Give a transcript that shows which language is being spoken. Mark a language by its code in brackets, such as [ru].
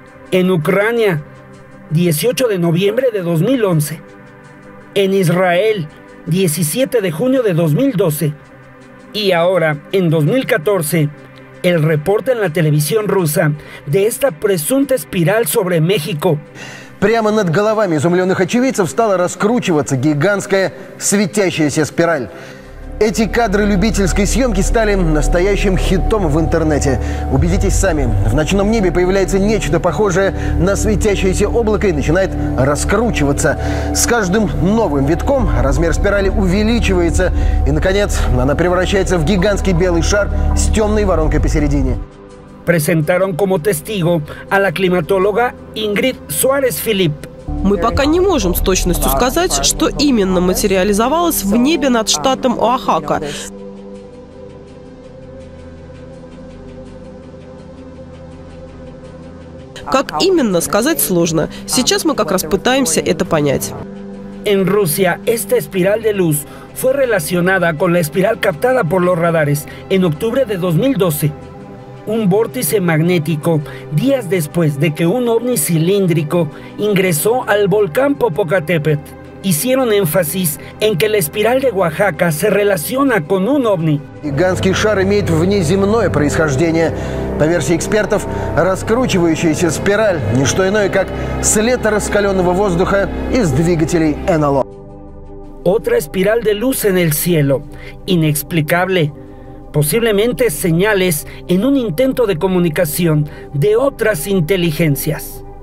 [es] En Ucrania, 18 de noviembre de 2011. En Israel, 17 de junio de 2012. Y ahora, en 2014, el reporte en la televisión rusa de esta presunta espiral sobre México. [ru] Прямо над головами изумленных очевидцев стала раскручиваться гигантская светящаяся спираль. Эти кадры любительской съемки стали настоящим хитом в интернете. Убедитесь сами, в ночном небе появляется нечто похожее на светящееся облако и начинает раскручиваться. С каждым новым витком размер спирали увеличивается, и, наконец, она превращается в гигантский белый шар с темной воронкой посередине. [es] Presentaron como testigo a la climatóloga Ingrid Suárez Filip. [ru] Мы пока не можем с точностью сказать, что именно материализовалось в небе над штатом Оахака. Как именно, сказать сложно. Сейчас мы как раз пытаемся это понять. [es] En Rusia esta espiral de luz fue relacionada con la espiral captada por los radares en octubre de 2012. Un vórtice magnético, días después de que un ovni cilíndrico ingresó al volcán Popocatépetl, hicieron énfasis en que la espiral de Oaxaca se relaciona con un ovni. [ru] Гигантский шар имеет внеземное происхождение. По версии экспертов, раскручивающаяся спираль – не что иное, как след раскаленного воздуха из двигателей НЛО. [es] Otra espiral de luz en el cielo. Inexplicable. Posiblemente señales en un intento de comunicación de otras inteligencias.